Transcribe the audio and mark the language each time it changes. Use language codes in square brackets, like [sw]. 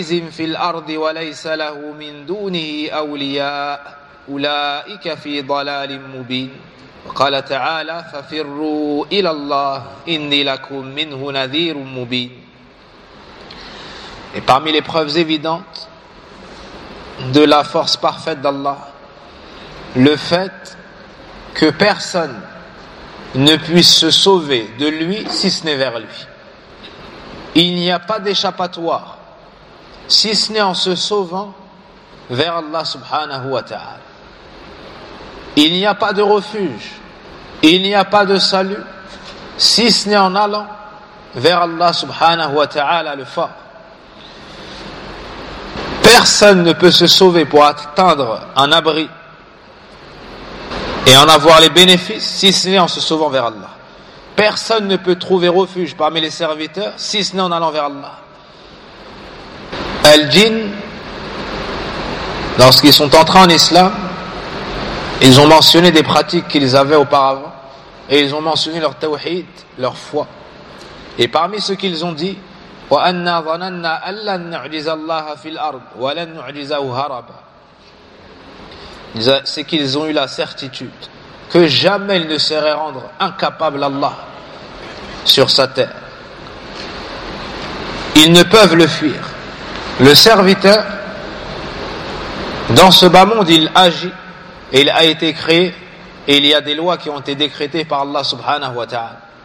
[ar] في الأرض وليس له من دونه أولياء أولئك في ضلال مبين وقال تعالى ففروا إلى الله إني لكم منه نذير مبين. [fr] Et parmi les preuves évidentes de la force parfaite d'Allah, le fait que personne ne puisse se sauver de lui si ce n'est vers lui. Il n'y a pas d'échappatoire si ce n'est en se sauvant vers Allah subhanahu wa ta'ala. Il n'y a pas de refuge, il n'y a pas de salut si ce n'est en allant vers Allah subhanahu wa ta'ala le fort. Personne ne peut se sauver pour atteindre un abri et en avoir les bénéfices si ce n'est en se sauvant vers Allah. Personne ne peut trouver refuge parmi les serviteurs si ce n'est en allant vers Allah. Al-Jinn, lorsqu'ils sont entrés en Islam, ils ont mentionné des pratiques qu'ils avaient auparavant et ils ont mentionné leur tawhid, leur foi. Et parmi ce qu'ils ont dit, [ar] وَأَنَّا ظَنَنَّا أَلَّا نُعْجِزَ اللَّهَ فِي الْأَرْضِ وَلَنْ نُعْجِزَهُ هَرَبًا. [fr] C'est qu'ils ont eu la certitude que jamais ils ne seraient rendre incapables Allah sur sa terre. Ils ne peuvent le fuir. Le serviteur, dans ce bas monde, il agit et il a été créé et il y a des lois qui ont été décrétées par Allah subhanahu wa ta'ala.